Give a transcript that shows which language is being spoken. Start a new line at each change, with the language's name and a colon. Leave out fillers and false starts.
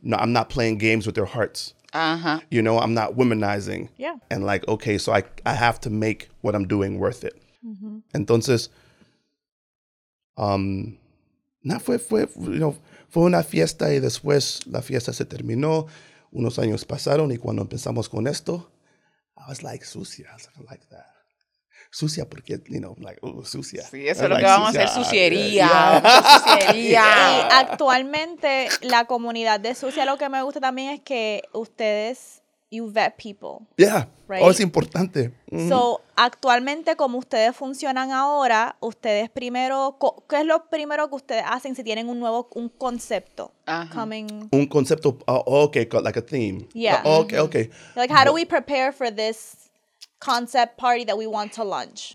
English: no, I'm not playing games with their hearts. Uh-huh. You know, I'm not womanizing. Yeah. And like, okay, so I have to make what I'm doing worth it. Mm-hmm.
Spanish: Entonces, fue una fiesta y después la fiesta se terminó. Unos años pasaron y cuando empezamos con esto,
English: I was like,
Spanish: sucia,
English: something like that. Sucia,
Spanish: porque,
English: you know, like, sucia.
Spanish: Sí, eso es lo que vamos a hacer, suciería.
English: Yeah.
Spanish: Suciería. Y actualmente, la comunidad de Sucia, lo que me gusta también es que ustedes
English: you vet people. Yeah. Right? Oh,
Spanish: es importante. Mm-hmm. So, actualmente, como ustedes funcionan ahora, ustedes primero, ¿qué es lo primero que ustedes hacen si tienen un nuevo, un concepto? Uh-huh.
English: Coming.
Spanish: Un concepto,
English: okay, like a theme. Yeah. Okay. Like, how do we prepare for this concept party that we want to launch?